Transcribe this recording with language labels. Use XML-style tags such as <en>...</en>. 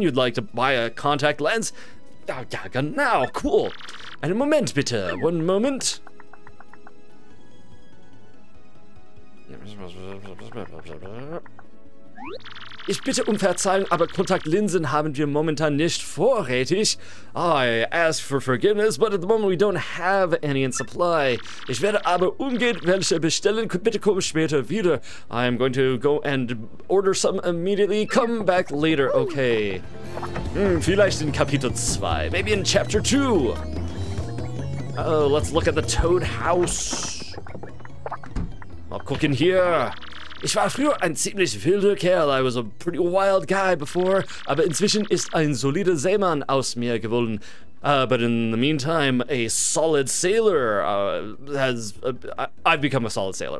<en>You'd like to buy a contact lens?</en> <de>Ja, genau, cool. Einen Moment, bitte.</de> <en>One moment.</en> <de>Ich bitte um Verzeihung, aber Kontaktlinsen haben wir momentan nicht vorrätig.</de> <en>I ask for forgiveness, but at the moment we don't have any in supply.</en> <de>Ich werde aber umgehend welche bestellen. Bitte komm später wieder.</de> <en>I'm going to go and order some immediately. Come back later, okay.</en> <de>Vielleicht in Kapitel 2.</de> <en>Maybe in Chapter 2. Oh, let's look at the Toad House. I'll cook in here.</en> <de>Ich war früher ein ziemlich wilder Kerl.</de> <en>I was a pretty wild guy before.</en> <de>Aber inzwischen ist ein solider Seemann aus mir geworden.</de> <en>But in the meantime, a solid sailor I've become a solid sailor.</en>